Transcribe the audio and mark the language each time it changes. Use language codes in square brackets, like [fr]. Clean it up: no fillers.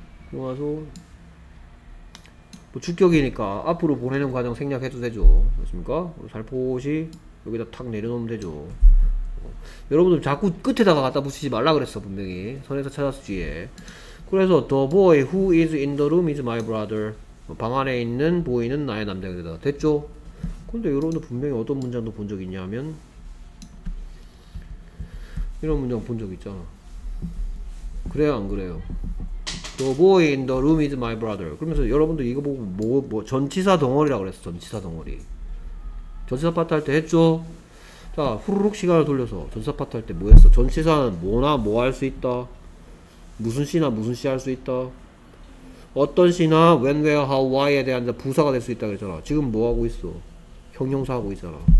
[ko] 그러면서 뭐 주격이니까 앞으로 보내는 과정 생략해도 되죠. 됐습니까? 살포시 여기다 탁 내려놓으면 되죠. 여러분들 자꾸 끝에다가 갖다 붙이지 말라 그랬어. 분명히 선에서 찾았을 뒤에. 그래서 [en] the boy who is in the room is my brother. [ko] 방 안에 있는 보이는 나의 남자입니다. 됐죠? 근데 여러분들 분명히 어떤 문장도 본 적 있냐면 이런 문장 본 적 있잖아. 그래요 안 그래요? [en] The boy in the room is my brother. [ko] 그러면서 여러분들 이거 보고 뭐 전치사 덩어리라고 그랬어. 전치사 덩어리. 전치사 파트 할 때 했죠? 자 후루룩 시간을 돌려서 전치사 파트 할 때 뭐 했어? 전치사는 뭐나 뭐 할 수 있다. 무슨 시나 무슨 시 할 수 있다. 어떤 시나 when, where, how, why에 대한 부사가 될 수 있다 그랬잖아. 지금 뭐 하고 있어? 형용사 하고 있잖아.